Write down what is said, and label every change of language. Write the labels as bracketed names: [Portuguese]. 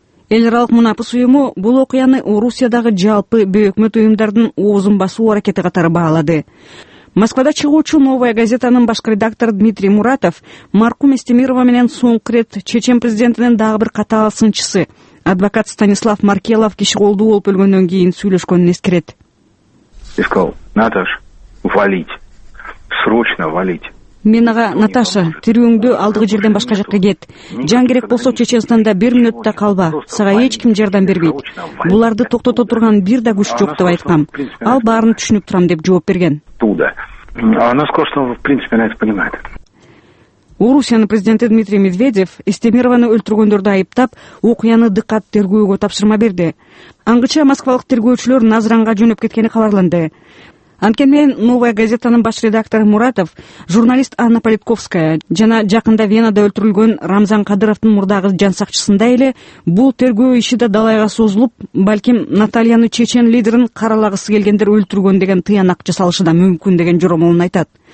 [Kyrgyz] Эл аралык мунапыс уюму бул окуяны Орусиядагы жалпы бөөкмөт уюмдардын оозун басуу аракети катары баалады. Москвада чыгуучу Новая газетанын башкы редактору Дмитрий Муратов маркум Истемирова менен соңку ирет Чечен президентинин дагы бир катаал сынчысы адвокат Станислав Маркелов киши колдуу болуп өлгөндөн кийин сүйлөшкөнүн эскерет. [Russian] Искал Наташ валить, срочно валить. [Kyrgyz] Мен ага Наташа, тирүүңдү алдыгы жерден башка жакка кет. Жан керек болсо Чечендагы бир мүнөт да калба. Сага эч ким жардам бербейт. Буларды токтото турган бир да күч жок деп айткам. Ал баарын түшүнүп турам деп жооп берген. [Russian] Она сказала, что в принципе она это понимает. [Kyrgyz] Орусиянын президенти Дмитрий Медведев Истемированы өлтүргөндөрдү айыптап, окуяны дыкат тергөөгө тапшырма берди. Аңгыча москвалык тергөөчүлөр Назранга жөнөп кеткени кабарланды. Анткен менен Новая газетанын баш редактору Муратов, журналист Анна Политковская жана жакында Венада өлтүрүлгөн Рамзан Кадыровдун мурдагы жан сакчысындай эле бул тергөө иши да далайга созулуп, балким Натальяны чечен лидерин каралагысы келгендер өлтүргөн деген тыянак жасалышы да мүмкүн деген жоромолун айтат.